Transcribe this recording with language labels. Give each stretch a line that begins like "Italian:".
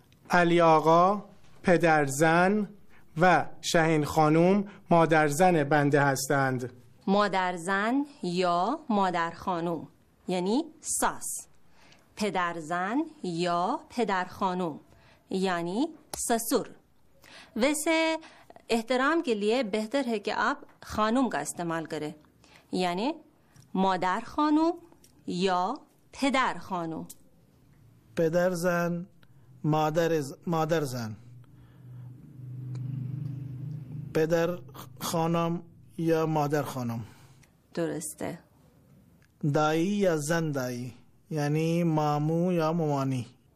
Persian: علی آقا پدر زن و شهین خانم مادر زن بنده هستند. مادر زن یا مادر خانم یعنی ساس. پدر زن یا پدر خانم یعنی سسور.
Urdu: ویسے احترام کے لیے بہتر ہے کہ آپ خانم کا استعمال کریں، یعنی مادر خانم یا پدر خانم.
Persian: پدر زن، مادر زن، پدر خانم یا مادر خانم. درسته. دایی یا زن دایی یعنی مامو یا مومانی.